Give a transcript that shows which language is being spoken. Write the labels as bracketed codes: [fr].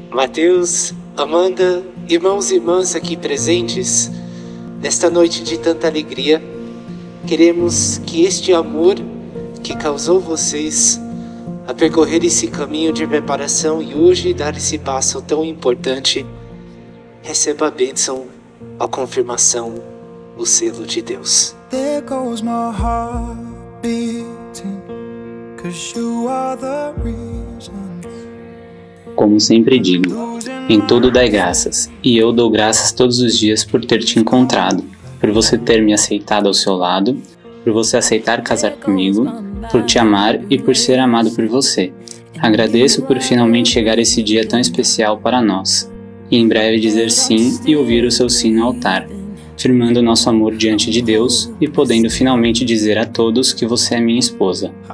[pt] Mateus, Amanda, irmãos e irmãs aqui presentes, nesta noite de tanta alegria, queremos que este amor que causou vocês a percorrer esse caminho de preparação e hoje dar esse passo tão importante, receba a bênção, a confirmação, o selo de Deus. [en] There goes my heart beating, 'cause you are the reason. [pt] Como sempre digo, em tudo dai graças, e eu dou graças todos os dias por ter te encontrado, por você ter me aceitado ao seu lado, por você aceitar casar comigo, por te amar e por ser amado por você. Agradeço por finalmente chegar esse dia tão especial para nós, e em breve dizer sim e ouvir o seu sim no altar, firmando nosso amor diante de Deus e podendo finalmente dizer a todos que você é minha esposa.